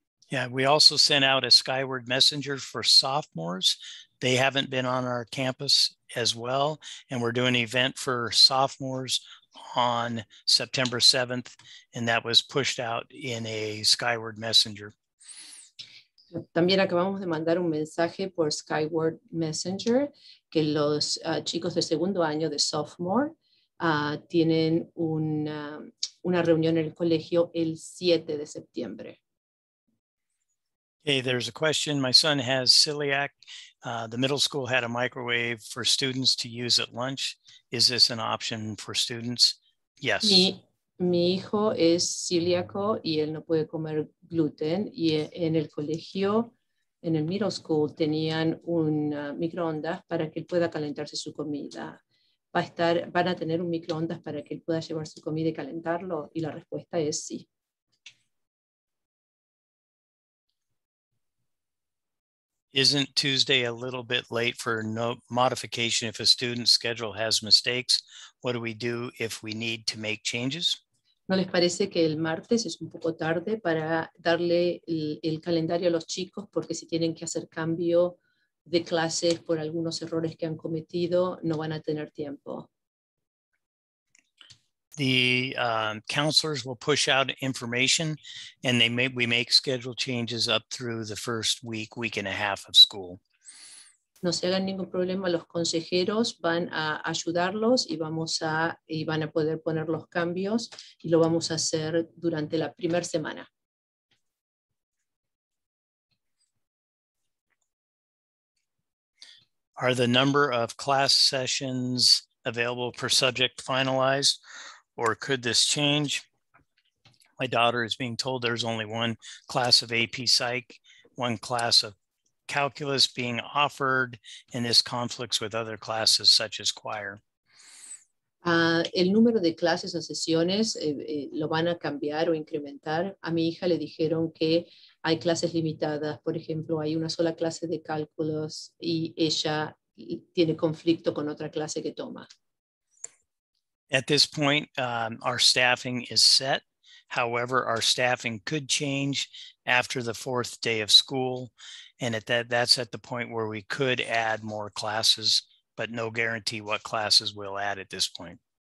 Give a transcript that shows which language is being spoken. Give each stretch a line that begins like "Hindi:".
English: Yeah, we also sent out a Skyward Messenger for sophomores. They haven't been on our campus as well, and we're doing an event for sophomores on September 7th, and that was pushed out in a Skyward Messenger.
Spanish: También acabamos de mandar un mensaje por Skyward Messenger que los chicos de segundo año de sophomore tienen una reunión en el colegio el 7 de septiembre.
English: Hey, there's a question. My son has celiac. The middle school had a microwave for students to use at lunch. Is this an option for students? Yes.
Spanish: Mi hijo es celíaco y él no puede comer gluten. Y en el colegio, en el middle school, tenían un microondas para que él pueda calentarse su comida. Van a tener un microondas para que él pueda llevar su comida y calentarlo? Y la respuesta es sí.
English: Isn't Tuesday a little bit late for no modification if a student's schedule has mistakes? What do we do if we need to make changes?
Spanish: ¿No les parece que el martes es un poco tarde para darle el calendario a los chicos porque si tienen que hacer cambio de clases por algunos errores que han cometido, no van a tener tiempo?
English: The counselors will push out information and we make schedule changes up through the first week, week and a half of school.
Spanish: No se hagan ningún problema, los consejeros van a ayudarlos y van a poder poner los cambios y lo vamos a hacer durante la primera semana.
English: Are the number of class sessions available per subject finalized? Or could this change? My daughter is being told there's only one class of AP Psych, one class of calculus being offered, and this conflicts with other classes such as choir.
Spanish: El número de clases o sesiones lo van a cambiar o incrementar. A mi hija le dijeron que hay clases limitadas. Por ejemplo, hay una sola clase de cálculos y ella tiene conflicto con otra clase que toma.
English: At this point, our staffing is set. However, our staffing could change after the fourth day of school. And that's at the point where we could add more classes, but no guarantee what classes we'll add at this point.